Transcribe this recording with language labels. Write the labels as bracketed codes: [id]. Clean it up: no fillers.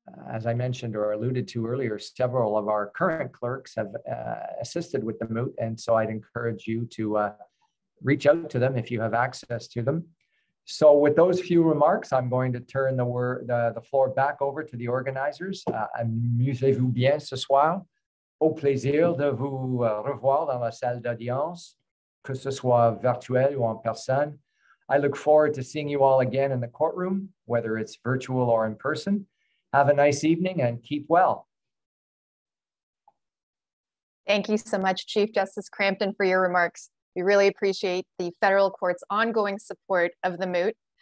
[en] As I mentioned or alluded to earlier, several of our current clerks have assisted with the moot, and so I'd encourage you to reach out to them if you have access to them. So with those few remarks, I'm going to turn the floor back over to the organizers. [fr] Amusez-vous bien ce soir. Au plaisir de vous revoir dans la salle d'audience, que ce soit virtuel ou en personne. [en] I look forward to seeing you all again in the courtroom, whether it's virtual or in person. Have a nice evening and keep well. Thank you so much, Chief Justice Crampton, for your remarks. We really appreciate the federal court's ongoing support of the moot.